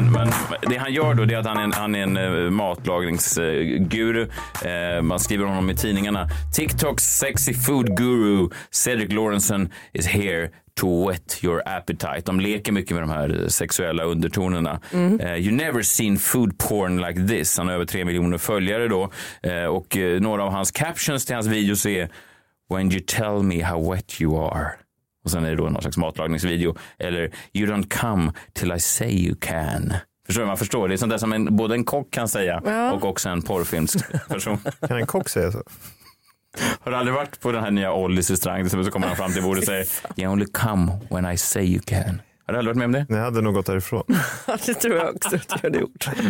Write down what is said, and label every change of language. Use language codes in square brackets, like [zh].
[sv] Men det han gör då, det är att han är en matlagningsguru. Man skriver om honom i tidningarna. [en] TikTok's sexy food guru Cedric Lorentzen is here to whet your appetite. [sv] De leker mycket med de här sexuella undertonerna. [en] You never seen food porn like this. [sv] Han har över 3 miljoner följare då. Och några av hans captions till hans videos är: [en] when you tell me how wet you are. [sv] Och sen är det då någon slags matlagningsvideo. Eller: [en] you don't come till I say you can. [sv] Förstår du? Man förstår. Det är sånt där som både en kock kan säga. Ja. Och också en porrfilmsk person. Kan en kock säga så? Har du aldrig varit på den här nya Ollys restaurang? Så kommer han fram till bordet och säger: [en] you only come when I say you can. [sv] Har du aldrig varit med om det? Nej, jag hade nog gått därifrån. Det tror jag också att jag hade gjort.